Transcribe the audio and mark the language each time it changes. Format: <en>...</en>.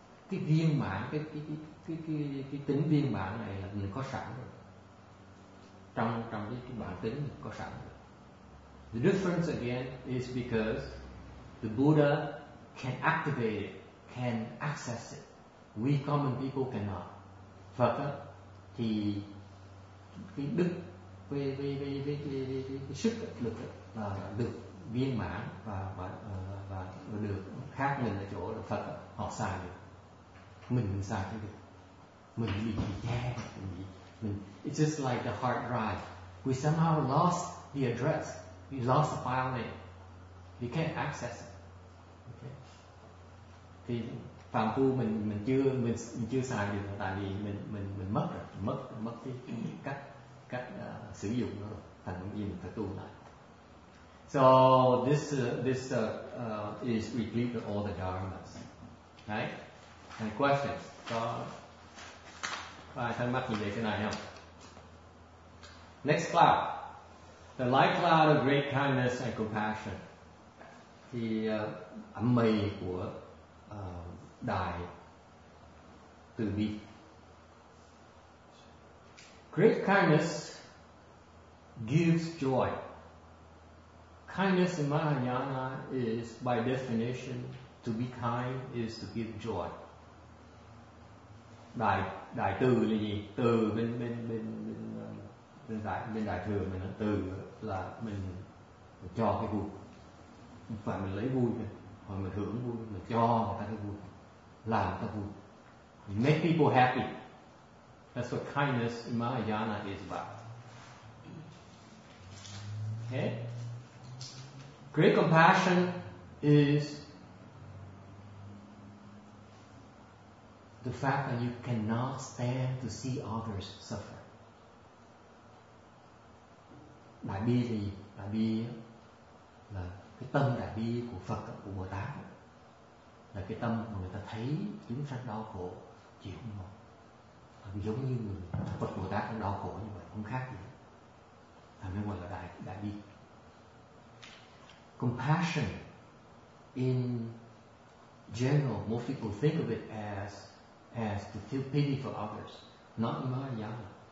<vi>Cái viên mãn, cái tính viên mãn này là mình có sẵn rồi. Trong cái bản tính mình có sẵn rồi.</vi> <en>The difference again is because the Buddha can activate it, can access it. We common people cannot.</en> <vi>Phật á, thì cái đức với sức lực là được viên mãn và được khác mình ở chỗ là Phật á, họ xài được. Mình xài không được. Mình bị yeah.</vi> <en>It's just like the hard drive. We somehow lost the address. We lost the file name. We can't access it.</en> <vi>Thì phàm phu mình chưa xài được, tại vì mình mất rồi, mất cái cách sử dụng nó rồi, thành gì mình phải tu lại.</vi> <en>So this is replete with all the dharmas, right? Any questions?</en> <vi>Có ai thắc mắc gì về cái này không?</vi> <en>Next cloud. The light cloud of great kindness and compassion.</en> <vi>Thì ấm mây của đài từ bi.</vi> <en>Great kindness gives joy. Kindness in Mahayana is by definition to be kind is to give joy.</en> <vi>Đại từ là gì? Từ bên đại thừa mình nói từ là mình cho cái vui. Không phải mình lấy vui thôi, hoặc mình hưởng vui, mình cho người ta cái vui, làm người ta vui.</vi> <en>Make people happy. That's what kindness in Mahayana is about. Okay? Great compassion is the fact that you cannot stand to see others suffer.</en> <vi>Đại bi thì đại bi là cái tâm đại bi của Phật của Bồ Tát là cái tâm mà người ta thấy chúng sanh đau khổ chịu không nổi. Giống như người Phật Bồ Tát cũng đau khổ như vậy, không khác gì. Thành ra gọi là đại bi.</vi> <en>Compassion in general, most people think of it as to feel pity for others, not in Mahayana.</en>